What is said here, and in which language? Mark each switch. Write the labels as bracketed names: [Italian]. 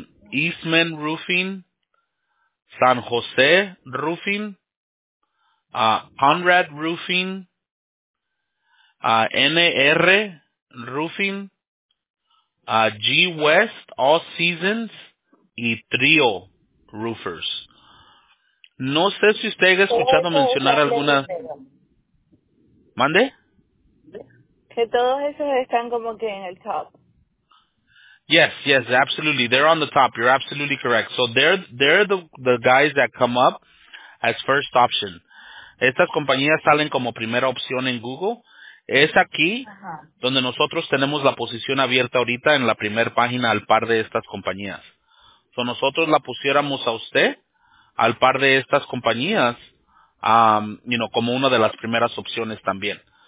[Spanish] Eastman Roofing, San José Roofing, Conrad Roofing, NR Roofing, G West All Seasons y Trio Roofers. No sé si usted haya escuchado mencionar alguna. ¿Mande? Que todos esos están como que en el top. [English] Yes, yes, absolutely. They're on the top. You're absolutely correct. So they're the guys that come up as first option. [Spanish] Estas compañías salen como primera opción en Google. Es aquí donde nosotros tenemos la posición abierta ahorita en la primera página al par de estas compañías. So nosotros la pusiéramos a usted al par de estas compañías, [English] you know, [Spanish] como una de las primeras opciones también.